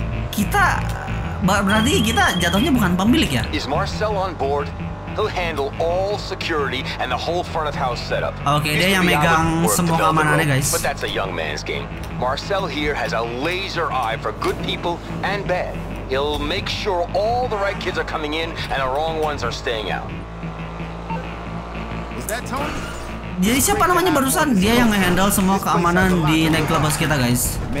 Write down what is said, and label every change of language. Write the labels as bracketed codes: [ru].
[id] Kita berarti kita jatuhnya bukan pemilik ya? [en] Is Marcel on board? He'll handle all security and the whole front of house setup. [id] Okay, dia yang megang semua keamanannya, guys. [en] But that's a young man's game. Marcel here has a laser eye for good people and bad. He'll make sure all the right kids are coming in and the wrong ones are staying out. Is that Tony? [id] Jadi siapa namanya barusan? Dia yang ngehandle semua keamanan di nightclubhouse kita, guys.